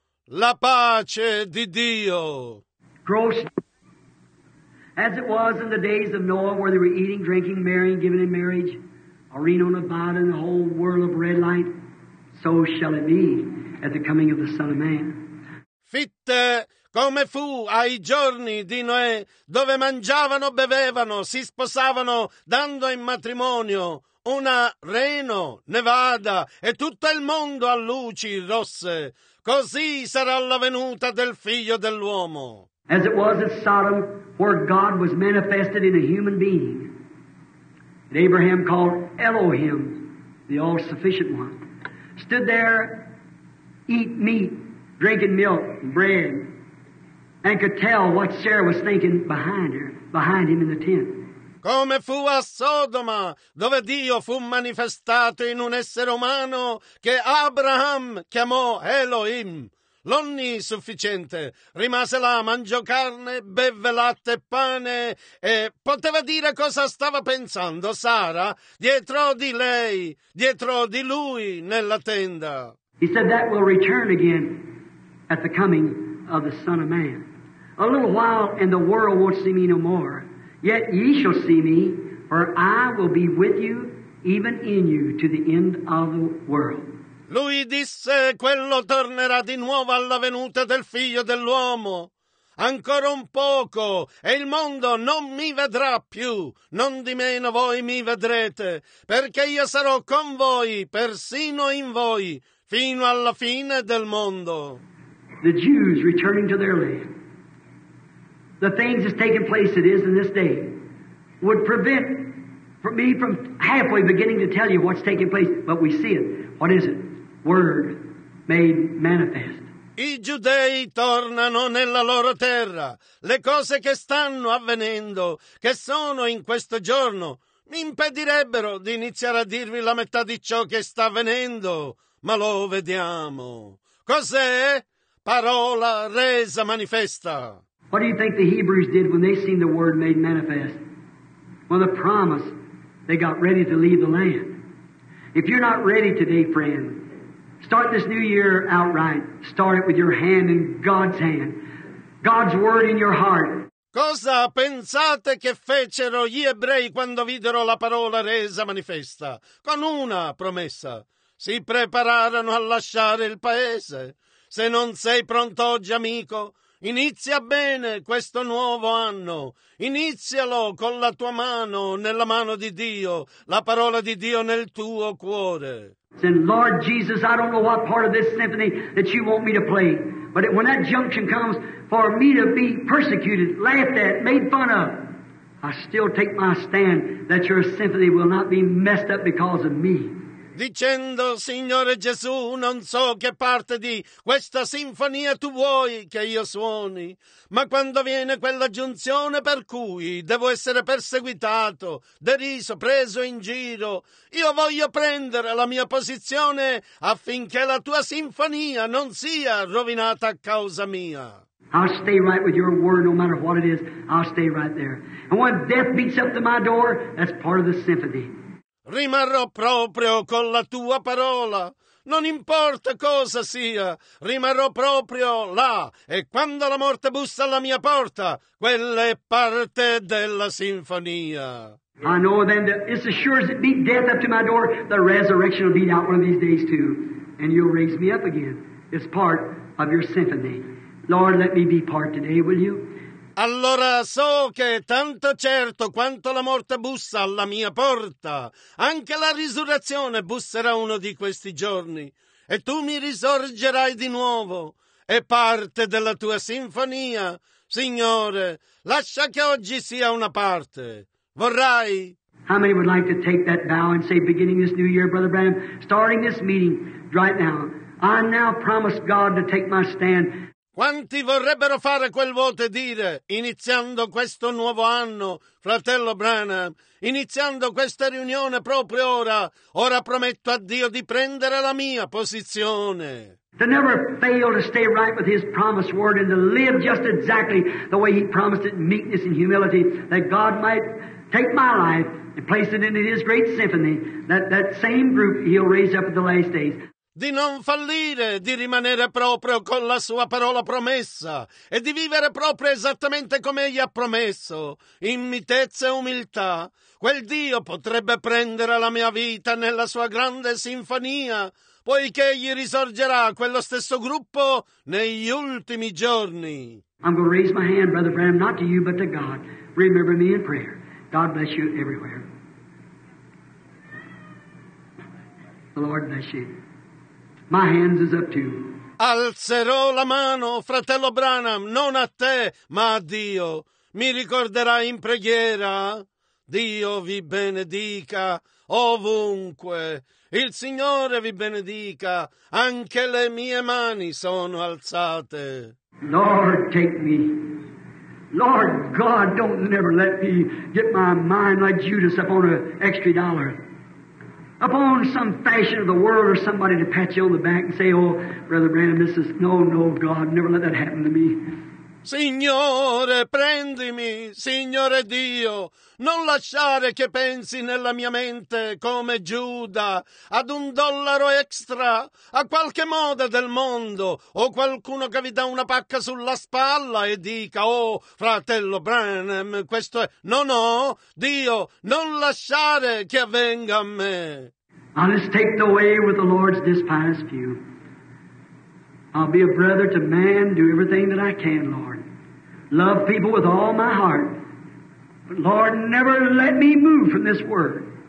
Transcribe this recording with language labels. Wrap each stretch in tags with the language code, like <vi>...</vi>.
<it>La pace di Dio. Gross.</it> <en>As it was in the days of Noah where they were eating, drinking, marrying, giving in marriage. Reno, Nevada, and the whole world of red light, so shall it be at the coming of the Son of Man. Fitte,</en> <it>come fu ai giorni di Noè, dove mangiavano, bevevano, si sposavano, dando in matrimonio una Reno, Nevada e tutto il mondo a luci rosse. Così sarà la venuta del Figlio dell'uomo.</it> <en>As it was at Sodom, where God was manifested in a human being, and Abraham called Elohim, the all-sufficient one, stood there, eat meat, drinking milk and bread, and could tell what Sarah was thinking behind her, behind him in the tent.</en> <it>Come fu a Sodoma, dove Dio fu manifestato in un essere umano che Abraham chiamò Elohim. L'onnisufficiente rimase là, mangiò carne, beve latte e pane e poteva dire cosa stava pensando Sara dietro di lei, dietro di lui nella tenda.</it> <en>He said that will return again at the coming of the Son of Man. A little while and the world won't see me no more. Yet ye shall see me, for I will be with you, even in you, to the end of the world.</en> <it>Lui disse, quello tornerà di nuovo alla venuta del Figlio dell'uomo. Ancora un poco, e il mondo non mi vedrà più. Non di meno voi mi vedrete, perché io sarò con voi, persino in voi, fino alla fine del mondo.</it> <en>The Jews returning to their land. The things that's taking place it is in this day would prevent me from halfway beginning to tell you what's taking place, but we see it. What is it? Word made manifest.</en> <it>I giudei tornano nella loro terra. Le cose che stanno avvenendo, che sono in questo giorno, mi impedirebbero di iniziare a dirvi la metà di ciò che sta avvenendo, ma lo vediamo. Cos'è? Parola resa manifesta.</it> <en>What do you think the Hebrews did when they seen the word made manifest? Well, the promise, they got ready to leave the land. If you're not ready today, friend, start this new year outright. Start it with your hand in God's hand. God's word in your heart.</en> <it>Cosa pensate che fecero gli ebrei quando videro la parola resa manifesta? Con una promessa. Si prepararono a lasciare il paese. Se non sei pronto oggi, amico, inizia bene questo nuovo anno. Inizialo con la tua mano nella mano di Dio, la parola di Dio nel tuo cuore.</it> <en>Say, Lord Jesus, I don't know what part of this symphony that you want me to play, but when that junction comes for me to be persecuted, laughed at, made fun of, I still take my stand that your symphony will not be messed up because of me.</en> <it>Dicendo, Signore Gesù, non so che parte di questa sinfonia tu vuoi che io suoni, ma quando viene quella giunzione per cui devo essere perseguitato, deriso, preso in giro, io voglio prendere la mia posizione affinché la tua sinfonia non sia rovinata a causa mia.</it> <en>I'll stay right with your word, no matter what it is, I'll stay right there. And when death beats up to my door, that's part of the symphony.</en> <it>Rimarrò proprio con la tua parola, non importa cosa sia, rimarrò proprio là, e quando la morte bussa alla mia porta, quella è parte della sinfonia.</it> <en>I know then that it's as sure as it beat death up to my door, the resurrection will beat out one of these days too, and you'll raise me up again. It's part of your symphony. Lord, let me be part today, will you?</en> <it>Allora so che tanto certo quanto la morte bussa alla mia porta, anche la risurrezione busserà uno di questi giorni, e tu mi risorgerai di nuovo, è parte della tua sinfonia. Signore, lascia che oggi sia una parte. Vorrai?</it> <en>How many would like to take that vow and say, beginning this new year, Brother Branham, starting this meeting right now, I now promise God to take my stand.</en> <it>Quanti vorrebbero fare quel voto e dire, iniziando questo nuovo anno, fratello Branham, iniziando questa riunione proprio ora, ora prometto a Dio di prendere la mia posizione.</it> <en>To never fail to stay right with His promised word and to live just exactly the way He promised it in meekness and humility, that God might take my life and place it in His great symphony, that same group He'll raise up in the last days.</en> <it>Di non fallire, di rimanere proprio con la sua parola promessa e di vivere proprio esattamente come egli ha promesso, in mitezza e umiltà. Quel Dio potrebbe prendere la mia vita nella sua grande sinfonia, poiché egli risorgerà quello stesso gruppo negli ultimi giorni.</it> <en>I'm going to raise my hand, Brother Branham, not to you, but to God. Remember me in prayer. God bless you everywhere. The Lord bless you. My hands is up too.</en> <it>Alzerò la mano, fratello Branham, non a te, ma a Dio. Mi ricorderà in preghiera. Dio vi benedica ovunque. Il Signore vi benedica. Anche le mie mani sono alzate.</it> <en>Lord, take me. Lord God, don't never let me get my mind like Judas upon an extra dollar. Upon some fashion of the world or somebody to pat you on the back and say, oh, Brother Branham, this is... No, no, God, never let that happen to me.</en> <it>Signore, prendimi, Signore Dio, non lasciare che pensi nella mia mente come Giuda ad un dollaro extra, a qualche moda del mondo, o qualcuno che vi dà una pacca sulla spalla e dica, oh, fratello Branham, questo è... No, no, Dio, non lasciare che avvenga a me.</it> <en>I'll just take the way with the Lord's despised view. I'll be a brother to man, do everything that I can, Lord. Love people with all my heart. But Lord, never let me move from this word.</en>